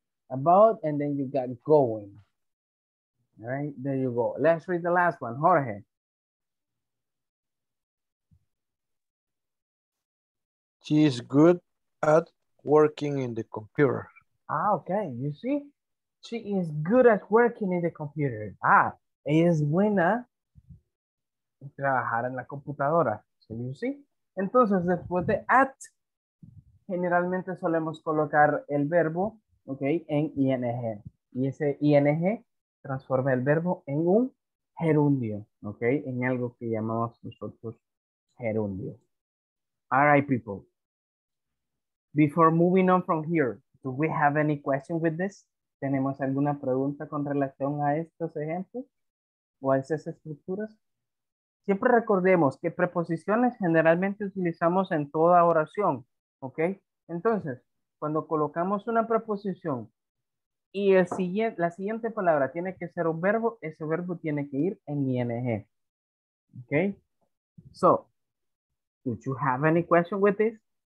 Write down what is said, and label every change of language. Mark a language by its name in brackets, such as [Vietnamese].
[English] About, and then you got going. All right, there you go. Let's read the last one, Jorge. She is good at working in the computer. Ah, okay, you see? She is good at working in the computer. [Spanish] Ah, ella es buena en trabajar en la computadora. [English] So you see? [Spanish] Entonces, después de at, generalmente solemos colocar el verbo, okay, en ing. Y ese ing transforma el verbo en un gerundio, okay, en algo que llamamos nosotros gerundio. [English] All right, people. Before moving on from here, do we have any question with this? [Spanish] ¿Tenemos alguna pregunta con relación a estos ejemplos o a esas estructuras? Siempre recordemos que preposiciones generalmente utilizamos en toda oración, ¿ok? Entonces, cuando colocamos una preposición y el siguiente, la siguiente palabra tiene que ser un verbo, ese verbo tiene que ir en ing, ¿ok? [English] So, do you have any question with this?